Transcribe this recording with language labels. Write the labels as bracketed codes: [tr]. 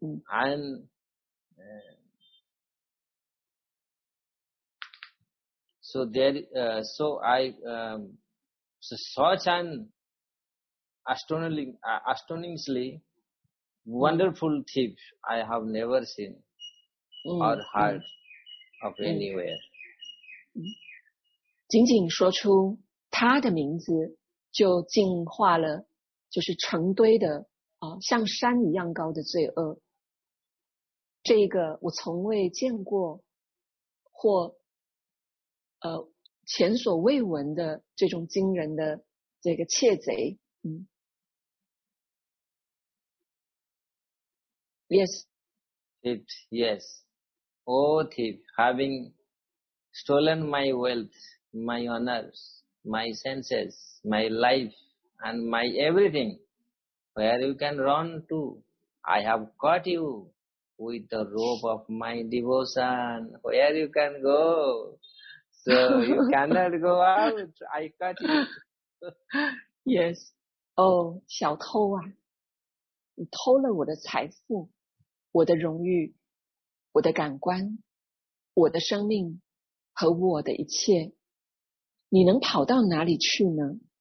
[en] And so there, so I, so such an astonishingly wonderful thief I have never seen or heard of anywhere. [zh] 仅仅说出他的名字就净化了就是成堆的像山一样高的罪恶，这个我从未见过或前所未闻的这种惊人的这个窃贼。 [en] Yes. It, yes. Oh thief, having stolen my wealth, my honors, my senses, my life and my everything, where you can run to, I have caught you with the rope of my devotion, where you can go, so you cannot go out, I caught you. Yes. [zh] Oh, 小偷啊，你偷了我的财富，我的荣誉，我的感官，我的生命和我的一切，你能跑到哪里去呢？